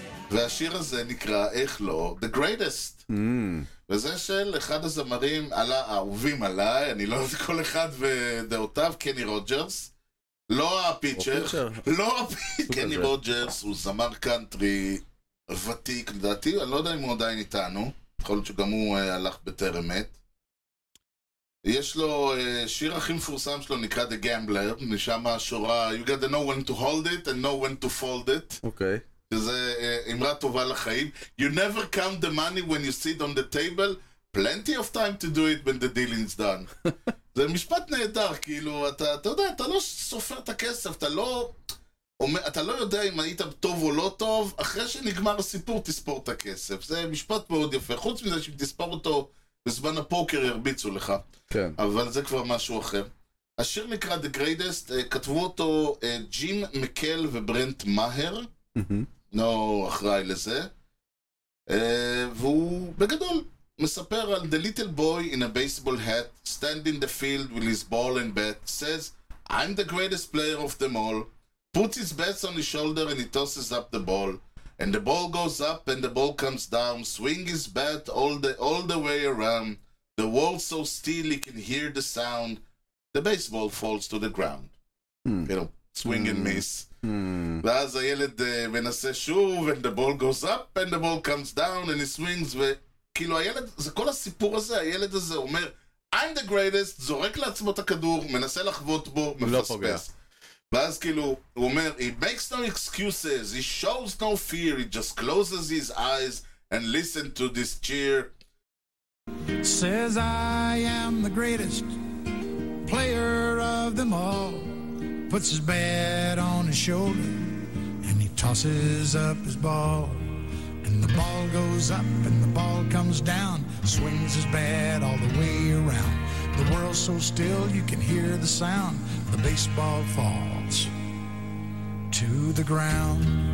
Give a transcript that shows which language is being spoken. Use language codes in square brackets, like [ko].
[he] והשיר הזה נקרא, איך לא, The Greatest. וזה של אחד הזמרים האהובים עליי, אני לא יודע כל אחד ודעותיו, קני רוג'רס. לא הפיצ'ר, לא הפיצ'ר, קני רוג'רס, הוא זמר קאנטרי ותיק לדעתי, אני לא יודע אם הוא עדיין איתנו, יכול להיות שגם הוא הלך בטרם עת. יש לו שיר הכי מפורסם שלו נקרא The Gambler, משם השורה, [en] you got to know when to hold it and know when to fold it. [he] אוקיי. שזה אמרה טובה לחיים. [en] You never count the money when you sit on the table, plenty of time to do it when the dealing's done. [he] זה משפט נהדר, כאילו, אתה יודע, אתה לא סופר את הכסף, אתה לא יודע אם היית טוב או לא טוב, אחרי שנגמר הסיפור, תספור את הכסף. זה משפט מאוד יפה. חוץ מזה שאם תספור אותו בזמן הפוקר, ירביצו לך. כן. אבל זה כבר משהו אחר. השיר נקרא The Greatest, כתבו אותו ג'ים מקל וברנט מהר. לא אחראי לזה. והוא בגדול מספר על [en] the little boy in a baseball hat standing in the field with his ball and bat says I'm the greatest player of them all, puts his bats on his shoulder and he tosses up the ball and the ball goes up and the ball comes down, swing his bat all the way around, the world so still he can hear the sound, the baseball falls to the ground. You know, swing and miss. [he] ואז הילד מנסה שוב, [en] and the ball goes up, and the ball comes down, and he swings, [he] וכאילו הילד, זה כל הסיפור הזה, הילד הזה אומר, [en] I'm the greatest, [he] זורק לעצמו את הכדור, מנסה לחוות בו, מפספס. ואז כאילו, הוא אומר, [en] he makes no excuses, he shows no fear, he just closes his eyes, and listen to this cheer. Says I am the greatest player of them all. Puts his bat on his shoulder and he tosses up his ball and the ball goes up and the ball comes down, swings his bat all the way around, the world's so still you can hear the sound, the baseball falls to the ground.